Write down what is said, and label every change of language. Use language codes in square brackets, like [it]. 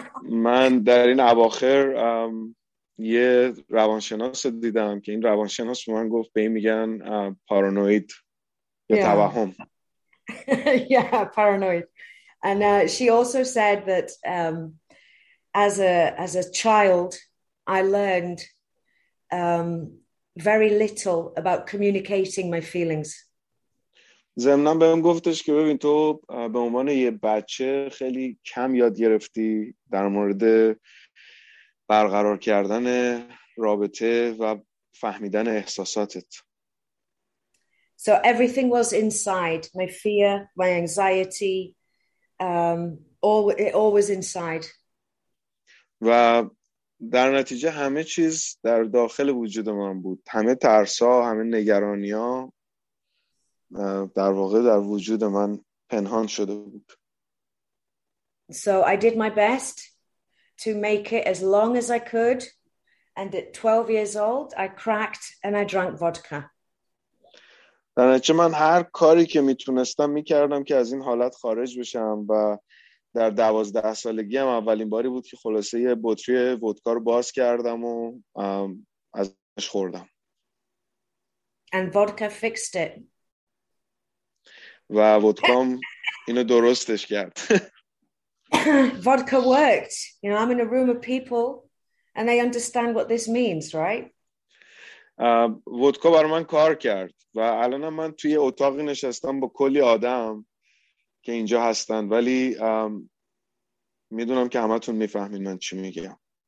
[fa] من در این اواخر یه روانشناس دیدم که این روانشناس به من گفت به این میگن پارانوید یا [en] Yeah. [fa] توهم. [en] Yeah, paranoid. And she also said that as a child, I learned very little about communicating my feelings. [fa] ضمناً بهم گفتش که ببین، تو به عنوان یه بچه خیلی کم یاد گرفتی در مورد برقرار کردن رابطه و فهمیدن احساساتت. [en] So everything was inside, my fear, my anxiety, all was inside. [fa] و در نتیجه همه چیز در داخل وجود من بود، همه ترسا، همه نگرانیا در واقع در وجود من پنهان شده بود. [en] So I did my best to make it as long as I could, and at 12 years old, I cracked and I drank vodka. [fa] در نتیجه من هر کاری که میتونستم میکردم که از این حالت خارج بشم و در 12 سالگی هم اولین باری بود که خلاصه یه بطری ودکا رو باز کردم و ازش خوردم. [en] And vodka fixed it. [fa] و ودکام اینو درستش کرد. [en] Vodka worked. I'm in a room of people and they understand what this means, right? [fa] ودکا برای من کار کرد و الان من توی اتاقی نشستم با کلی آدم که اینجا هستن، ولی میدونم که همتون میفهمین من چی میگم.